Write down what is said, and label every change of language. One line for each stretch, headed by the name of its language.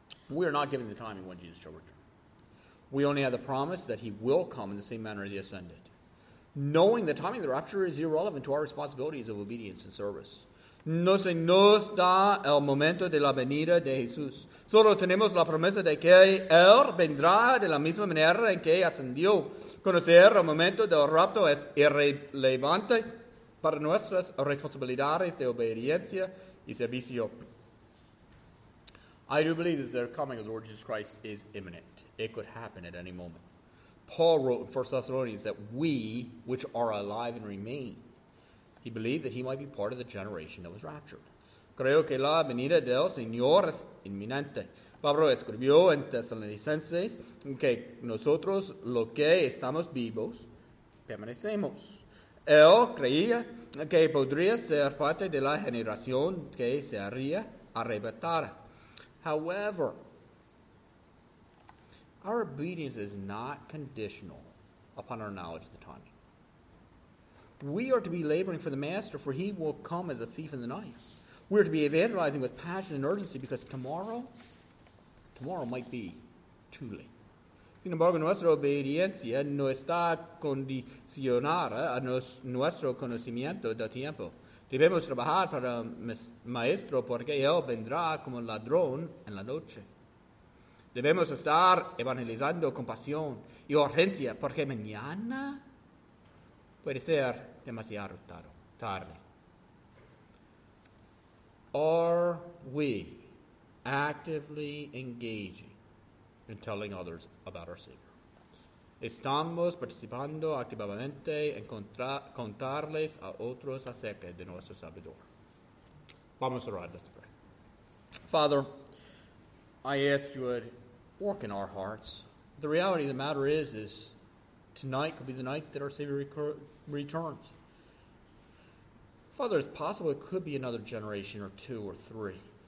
English: We are not given the timing when Jesus shall return. We only have the promise that he will come in the same manner as he ascended. Knowing the timing of the rapture is irrelevant to our responsibilities of obedience and service.
Spanish: No se nos da el momento de la venida de Jesús. Solo tenemos la promesa de que él vendrá de la misma manera en que ascendió. Conocer el momento del rapto es irrelevante para nuestras responsabilidades de obediencia y servicio.
English: I do believe that the coming of the Lord Jesus Christ is imminent. It could happen at any moment. Paul wrote in 1 Thessalonians that we, which are alive and remain, he believed that he might be part of the generation that was raptured.
Spanish: Creo que la venida del Señor es inminente. Pablo escribió en Tesalonicenses que nosotros, lo que estamos vivos, permanecemos. Él creía que podría ser parte de la generación que sería arrebatada.
English: However, our obedience is not conditional upon our knowledge of the timing. We are to be laboring for the Master, for he will come as a thief in the night. We are to be evangelizing with passion and urgency, because tomorrow might be too late.
Spanish: Sin embargo, nuestra obediencia no está condicionada a nuestro conocimiento del tiempo. Debemos trabajar para Maestro, porque él vendrá como ladrón en la noche. Debemos estar evangelizando con pasión y urgencia, porque mañana puede ser demasiado tarde.
English: Are we actively engaging in telling others about our Savior?
Spanish: Estamos participando activamente en contarles a otros acerca de nuestro Salvador. Vamos a orar.
English: Let's pray. Father, I ask you would work in our hearts. The reality of the matter is tonight could be the night that our Savior returns. Father, it's possible it could be another generation or two or three.